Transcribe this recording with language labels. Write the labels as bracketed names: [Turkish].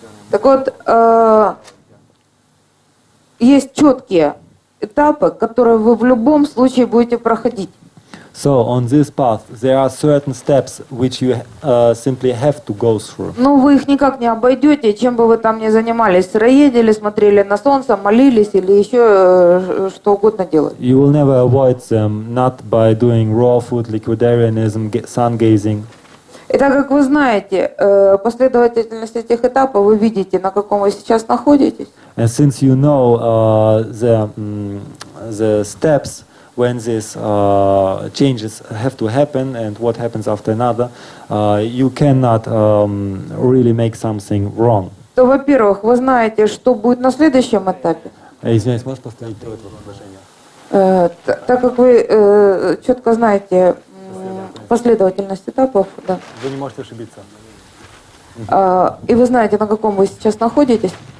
[Russian] Так вот, есть четкие этапы, которые вы в любом случае будете проходить. [English] So on this path there are certain steps which you simply have to go through. [Russian] Но вы их никак не обойдете, чем бы вы там ни занимались, сыроедили, смотрели на солнце, молились или еще что угодно делали. [English] You will never avoid them, not by doing raw food, liquidarianism, sun gazing. [Russian] И так как вы знаете последовательность этих этапов, вы видите, на каком вы сейчас находитесь. [English] And since you know the steps when these changes have to happen and what happens after another, you cannot really make something wrong. [Russian] То, во-первых, вы знаете, что будет на следующем этапе. Извиняюсь, можешь повторить то это предложение? Так как вы четко знаете последовательность этапов, да. Вы не можете ошибиться. И вы знаете, на каком вы сейчас находитесь.